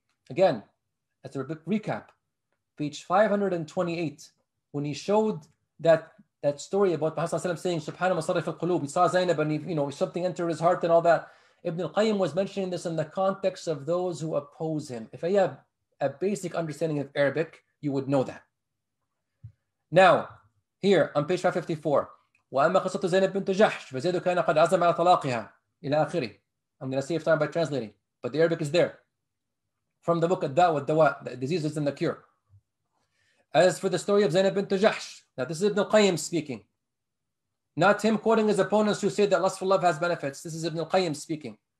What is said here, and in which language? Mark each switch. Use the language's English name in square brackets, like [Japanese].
[English] Again, as a recap, page 528, when he showed that story about Muhammad saying, Subhanahu wa Sarif al-Qulub, he saw Zainab and something entered his heart and all that. Ibn al-Qayyim was mentioning this in the context of those who oppose him. If I have a basic understanding of Arabic, you would know that. Now, here on page 554, [Arabic] وَأَمَّا قَصَّةُ زَيْنَبْ بِنْتُ جَحْشُ فَزَيْدُ كَانَ قَدْ عَزَمَ عَلَى طَلَاقِهَا إِلَىٰ آخِرِهِ. [English] I'm going to save time by translating, but the Arabic is there. From the book الدَّاء وَالدَّوَاء, the diseases and the cure. As for the story of Zainab bint Jahsh, now this is Ibn al-Qayyim speaking. Not him quoting his opponents who say that lustful love has benefits. This is Ibn al-Qayyim speaking.